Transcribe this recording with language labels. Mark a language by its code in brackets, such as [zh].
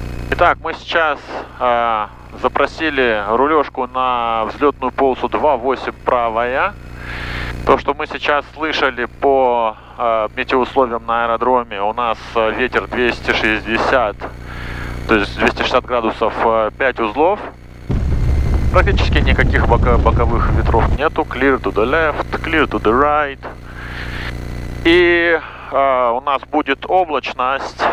[ru] Итак, мы сейчас запросили рулежку на взлетную полосу 28 правая. То, что мы сейчас слышали по метеоусловиям на аэродроме, у нас ветер 260, то есть 260 градусов, 5 узлов. Практически никаких боковых ветров нету. [en] Clear to the left, clear to the right. [ru] И у нас будет облачность.